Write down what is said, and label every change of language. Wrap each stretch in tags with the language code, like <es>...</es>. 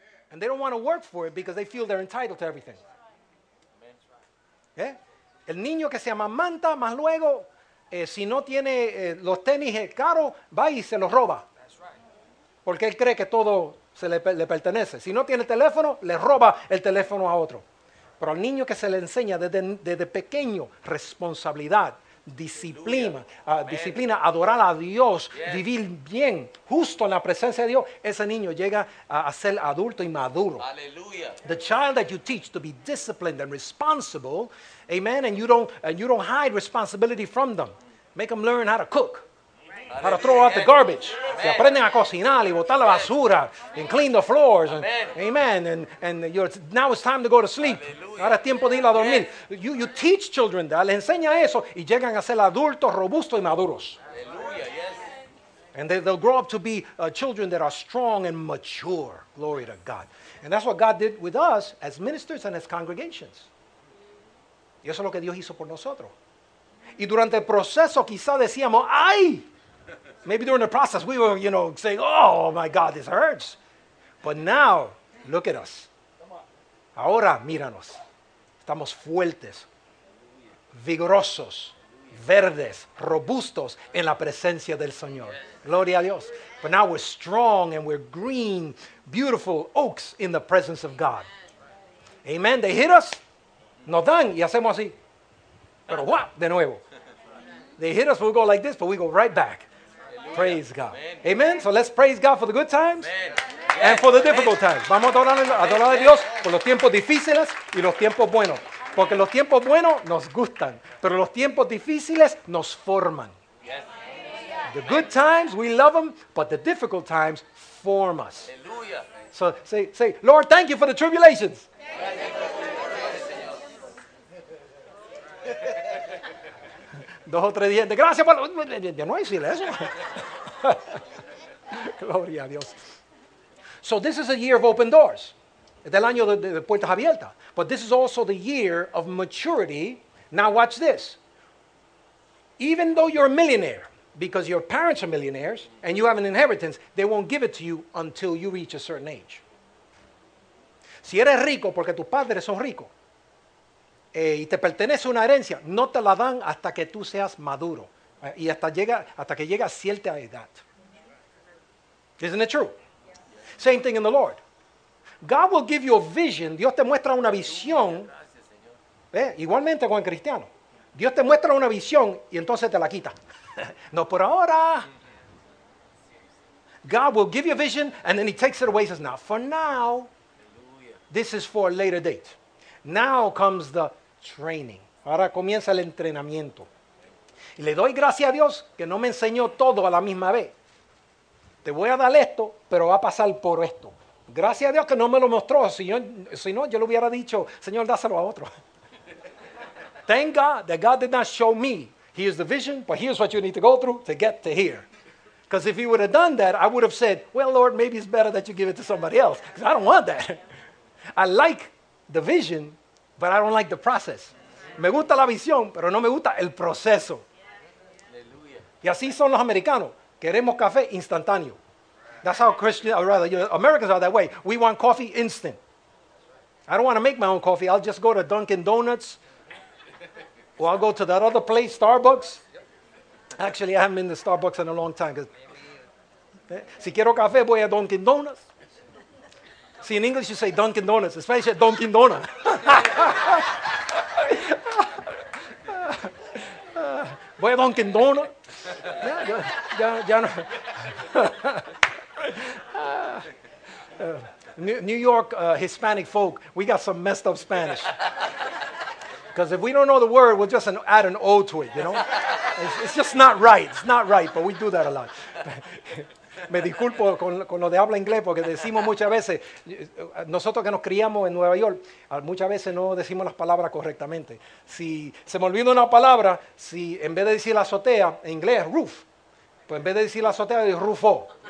<en>And they don't want to work for it because they feel they're entitled to everything. ¿Eh?</en> <es>El niño que se amamanta, más luego, si no tiene los tenis caros, va y se los roba. Porque él cree que todo se le pertenece. Si no tiene teléfono, le roba el teléfono a otro. Pero al niño que se le enseña desde pequeño, responsabilidad, disciplina, disciplina, adorar a Dios, vivir bien, justo en la presencia de Dios, ese niño llega a ser adulto y maduro. Aleluya.</es> <en>The child that you teach to be disciplined and responsible, amen, and you don't hide responsibility from them. Make them learn how to cook. How to throw out the garbage.</en> <es>Se aprenden a cocinar y botar la basura.</es> <en>And clean the floors. Amen. And now it's time to go to sleep.</en> <es>Ahora es tiempo de ir a dormir.</es> <en>You teach children that.</en> <es>Les enseña eso. Y llegan a ser adultos, robustos y maduros.</es> <en>And they'll grow up to be children that are strong and mature. Glory to God. And that's what God did with us as ministers and as congregations.</en> <es>Y eso es lo que Dios hizo por nosotros. Y durante el proceso quizá decíamos, ¡ay!</es> <en>Maybe during the process, we were, you know, saying, oh, my God, this hurts. But now, look at us.</en> <es>Ahora, míranos. Estamos fuertes, vigorosos, verdes, robustos en la presencia del Señor. Gloria a Dios.</es> <en>But now we're strong and we're green, beautiful oaks in the presence of God.</en> <es>Amen.</es> <en>They hit us,</en> <es>nos dan y hacemos así. Pero, ¡wow! De nuevo.</es> <en>They hit us, we'll go like this, but we go right back. Praise God. Amen. Amen. So let's praise God for the good times Amen. And for the difficult Amen. Times.</en> <es>Vamos a adorar a Dios por los tiempos difíciles y los tiempos buenos. Porque los tiempos buenos nos gustan, pero los tiempos difíciles nos forman.</es> <en>The good times, we love them, but the difficult times form us. So say, Lord, thank you for the tribulations.</en> <es>Dos o tres días. Gracias por... Ya no hay silencio. Gloria a Dios.</es> <en>So this is a year of open doors.</en> <es>Del año de puertas abiertas.</es> <en>But this is also the year of maturity. Now watch this. Even though you're a millionaire, because your parents are millionaires, and you have an inheritance, they won't give it to you until you reach a certain age.</en> <es>Si eres rico porque tus padres son ricos, y te pertenece una herencia, no te la dan hasta que tú seas maduro y hasta que llegue a cierta edad.</es> <en>Isn't it true? Same thing in the Lord. God will give you a vision.</en> <es>Dios te muestra una visión. Igualmente con el cristiano. Dios te muestra una visión y entonces te la quita. No por ahora.</es> <en>God will give you a vision and then he takes it away. He says, not for now. This is for a later date. Now comes the training.</en> <es>Ahora comienza el entrenamiento. Y le doy gracias a Dios que no me enseñó todo a la misma vez. Te voy a dar esto, pero va a pasar por esto. Gracias a Dios que no me lo mostró. Si no, yo le hubiera dicho, Señor, dáselo a otro.</es> <en>Thank God that God did not show me. Here's the vision, but here's what you need to go through to get to here. Because if he would have done that, I would have said, well, Lord, maybe it's better that you give it to somebody else. Because I don't want that. I like the vision, but I don't like the process.</en> <es>Me gusta la visión, pero no me gusta el proceso. Y así son los americanos. Queremos café instantáneo.</es> <en>That's how Christians, or rather, you know, Americans are that way. We want coffee instant. I don't want to make my own coffee. I'll just go to Dunkin' Donuts. Or I'll go to that other place, Starbucks. Actually, I haven't been to Starbucks in a long time.</en> <es>Si quiero café, voy a Dunkin' Donuts.</es> <en>See, in English, you say Dunkin' Donuts, especially Dunkin' Donuts.</en> <es>Voy a Dunkin' Donuts. Ya no.</es> <en>New York Hispanic folk, we got some messed up Spanish. Because if we don't know the word, we'll just add an O to it, you know? It's just not right. It's not right, but we do that a lot.</en> <es>Me disculpo con lo de habla inglés porque decimos muchas veces, nosotros que nos criamos en Nueva York, muchas veces no decimos las palabras correctamente. Si se me olvida una palabra, si en vez de decir la azotea, en inglés, roof, pues en vez de decir la azotea, es rufo.</es>